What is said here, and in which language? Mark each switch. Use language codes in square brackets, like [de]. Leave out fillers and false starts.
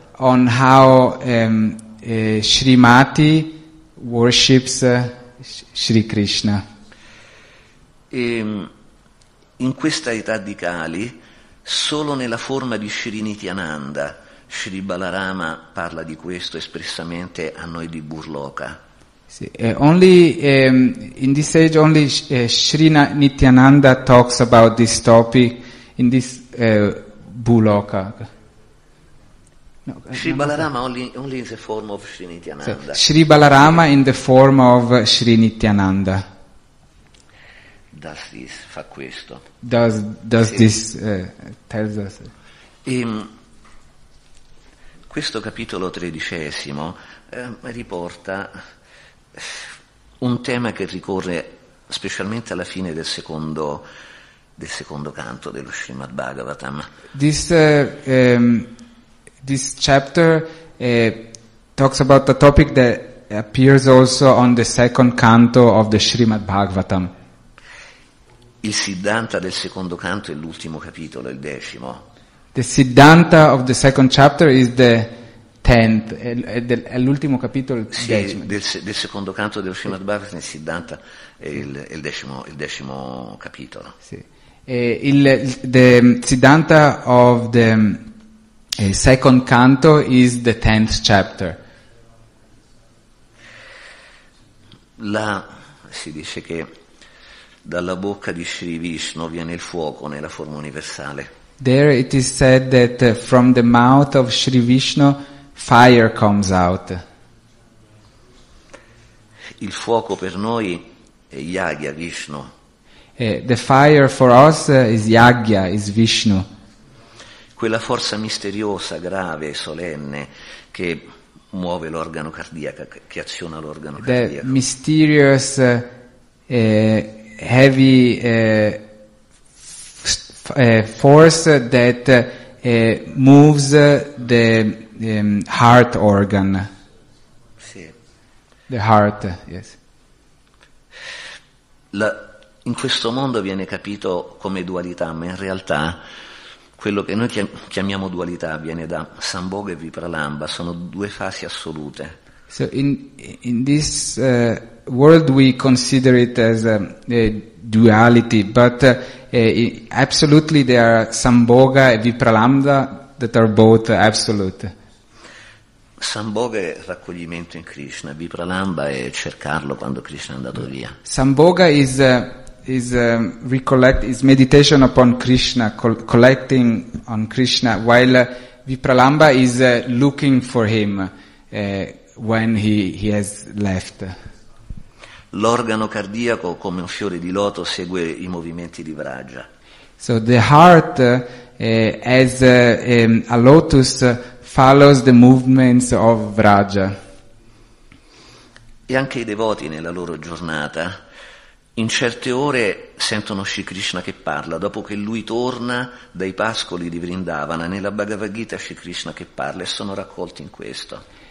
[en] on how Srimati worships Shri Krishna. [it] In questa età di Kali, solo nella forma di Shri Nityananda, Shri Balarama parla di questo espressamente a noi di Burloka. Sì, [en] only in this age only Shri Nityananda talks about this topic in this Burloka. Shri Balarama only in the form of Shri Nityananda. Shri Balarama in the form of Shri Nityananda. Does this [it] fa questo? [en] Does this tells us? [it] Questo capitolo tredicesimo riporta un tema che ricorre specialmente alla fine del secondo canto dello Srimad Bhagavatam. [en] This chapter talks about a topic that appears also on the second canto of the Srimad Bhagavatam. [it] Il Siddhanta del secondo canto è l'ultimo capitolo, il decimo. [en] The Siddhanta of the second chapter is the tenth, [it] è l'ultimo capitolo, il sì, decimo. Del secondo canto dello Srimad Bhagavatam, il Siddhanta è il decimo capitolo. Sì. [en] The Siddhanta of the second canto is the tenth chapter. [it] Là si dice che dalla bocca di Sri Vishnu viene il fuoco nella forma universale. [en] There it is said that from the mouth of Sri Vishnu fire comes out. [it] Il fuoco per noi è Yagya, Vishnu. [en] The fire for us is Yagya, is Vishnu. [it] Quella forza misteriosa, grave, solenne che muove l'organo cardiaco, che aziona l'organo [en] the [it] cardiaco. [en] The mysterious heavy force that moves the heart organ. [it] Sì. [en] The heart, yes. [it] In questo mondo viene capito come dualità, ma in realtà quello che noi chiamiamo dualità viene da Samboga e Vipralamba, sono due fasi assolute. [en] So in this world we consider it as a duality, but absolutely there are Samboga e Vipralamba that are both absolute. [it] Samboga è raccoglimento in Krishna, Vipralamba è cercarlo quando Krishna è andato via. [en] Samboga is meditation upon Krishna, collecting on Krishna, while Vipralamba is looking for him when he has left. [it] L'organo cardiaco, come un fiore di loto, segue i movimenti di Vraja. [en] So the heart, as a lotus, follows the movements of Vraja. [it] E anche i devoti nella loro giornata, in certe ore sentono Shri Krishna che parla, dopo che lui torna dai pascoli di Vrindavana, nella Bhagavad Gita Shri Krishna che parla, e sono raccolti in questo.